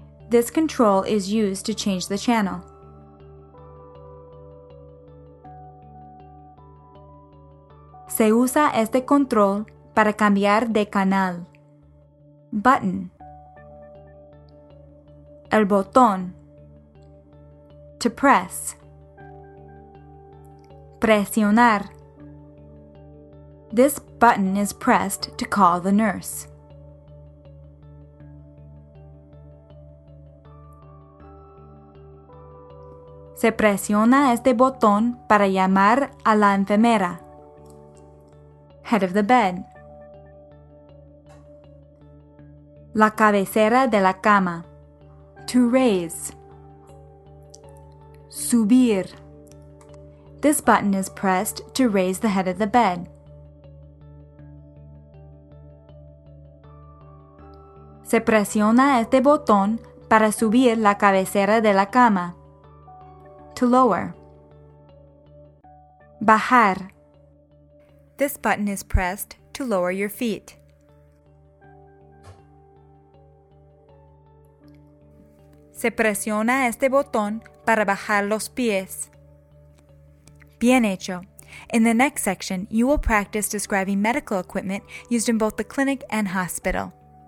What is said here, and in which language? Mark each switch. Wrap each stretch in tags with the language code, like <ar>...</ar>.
<en>This control is used to change the channel.</en> <es>Se usa este control para cambiar de canal.</es> <en>Button.</en> <es>El botón.</es> <en>To press.</en> <es>Presionar.</es> <en>This button is pressed to call the nurse.</en> <es>Se presiona este botón para llamar a la enfermera.</es> <en>Head of the bed.</en> <es>La cabecera de la cama.</es> <en>To raise.</en> <es>Subir.</es> <en>This button is pressed to raise the head of the bed.</en> <es>Se presiona este botón para subir la cabecera de la cama.</es> <en>To lower.</en> <es>Bajar.</es> <en>This button is pressed to lower your feet.</en> <es>Se presiona este botón para bajar los pies. Bien hecho.</es> <en>In the next section, you will practice describing medical equipment used in both the clinic and hospital.</en>